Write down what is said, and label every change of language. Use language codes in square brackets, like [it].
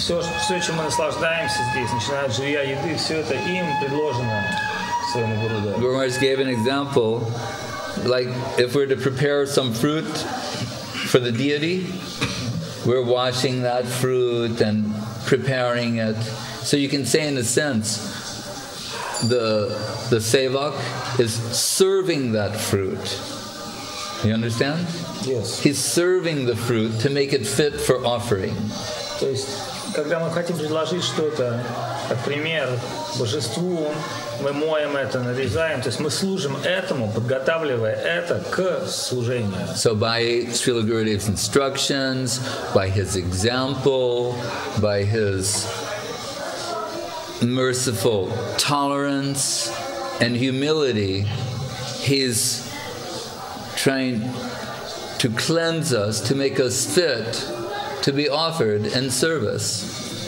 [ru] Все, чем мы наслаждаемся здесь, начиная от жилья, еды, все это им предложено своему Гуру. [en] Guru Maharaj gave an example, like if we're to prepare some fruit for the deity, we're washing that fruit and preparing it. So you can say in a sense, the sevak is serving that fruit. You understand? Yes. He's serving the fruit to make it fit for offering. [ru] То есть, когда мы хотим предложить что-то, как пример, божеству, мы моем это, нарезаем, то есть мы служим этому, подготавливая это к служению. [en] So by Srila Gurudev's instructions, by his example, by his merciful tolerance and humility, he's trying to cleanse us, to make us fit to be offered in service.